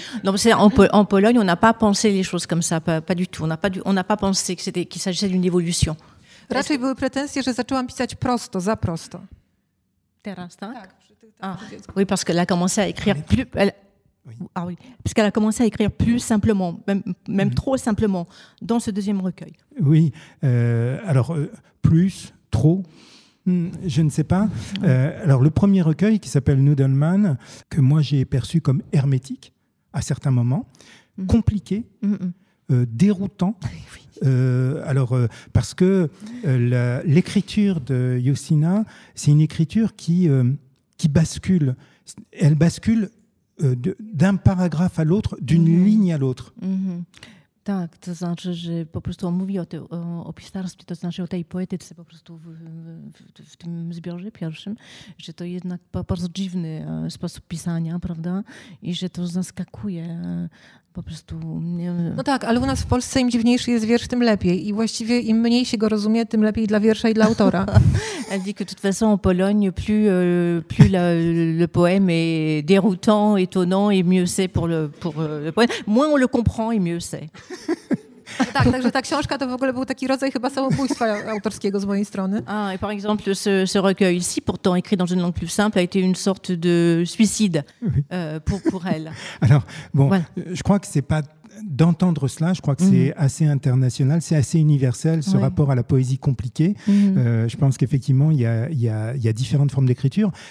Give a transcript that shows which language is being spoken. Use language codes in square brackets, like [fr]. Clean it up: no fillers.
[fr] No, en Pologne, on n'a pas pensé les choses comme ça, pas du tout. On n'a pas pensé qu'il s'agissait d'une évolution. [pl] Raczej były pretensje, że zaczęłam pisać prosto, za prosto. Teraz, tak? Tak. [fr] Oui, parce qu'elle a commencé à écrire plus... Ah oui, parce qu'elle a commencé à écrire plus simplement, même trop simplement, dans ce deuxième recueil. Oui, alors plus, trop, je ne sais pas. Alors le premier recueil qui s'appelle Nudelman, que moi j'ai perçu comme hermétique à certains moments, compliqué, déroutant. Oui. Alors parce que l'écriture de Justina, c'est une écriture qui bascule. Elle bascule d'un paragraphe à l'autre, d'une ligne à l'autre. [pl] Tak, to znaczy, że po prostu on mówi o pisarstwie, to znaczy o tej poetyce po prostu w tym zbiorze pierwszym, że to jednak bardzo dziwny sposób pisania, prawda? I że to zaskakuje po prostu. Nie... No tak, ale u nas w Polsce im dziwniejszy jest wiersz, tym lepiej. I właściwie im mniej się go rozumie, tym lepiej dla wiersza i dla autora. [fr] Elle dit que de toute façon en Pologne, plus le poème est déroutant, étonnant, et mieux c'est pour le poème. Moins on le comprend, et mieux c'est. [pl] Tak, także ta książka to w ogóle był taki rodzaj chyba samobójstwa autorskiego z mojej strony. [fr] Ah, et par exemple, ce recueil ici, pourtant écrit dans une langue plus simple, a été une sorte de suicide pour elle. Alors, bon, voilà. Je crois que c'est pas d'entendre cela, je crois que c'est assez international, c'est assez universel, ce rapport à la poésie compliquée. Je pense qu'effectivement, il y a différentes formes d'écriture.